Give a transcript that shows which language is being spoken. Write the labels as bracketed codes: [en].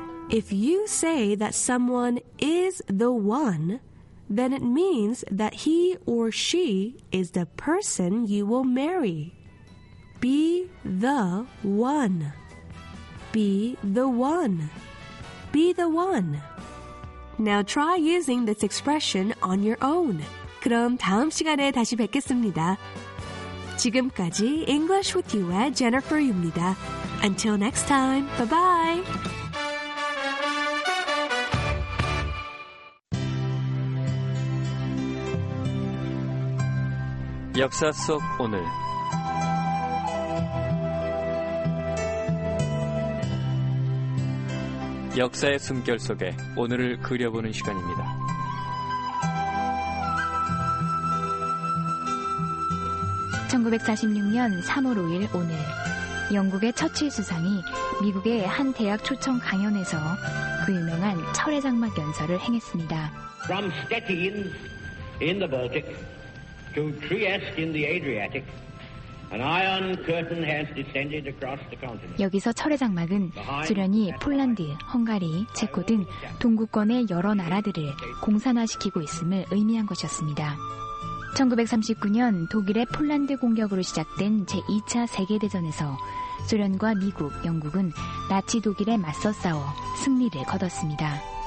[en] If you say that someone is the one, then it means that he or she is the person you will marry. Be the one. Be the one. Be the one. Now try using this expression on your own. [ko] 그럼 다음 시간에 다시 뵙겠습니다. 지금까지 English with You의 Jennifer입니다. [en] Until next time, bye-bye. Yaksa Sok Onel. [ko] Yaksa의 숨결 속에 오늘을 그려보는 시간입니다. (1946년 3월 5일) 오늘 영국의 처칠 수상이 미국의 한 대학 초청 강연에서 그 유명한 철의 장막 연설을 행했습니다. [en] From Stettin in the Baltic to Trieste in the Adriatic, an iron curtain has descended across the continent. [ko] 여기서 철의 장막은 수련이 폴란드, 헝가리, 체코 등 동구권의 여러 나라들을 공산화시키고 있음을 의미한 것이었습니다. 1939년 독일의 폴란드 공격으로 시작된 제2차 세계대전에서 소련과 미국, 영국은 나치 독일에 맞서 싸워 승리를 거뒀습니다.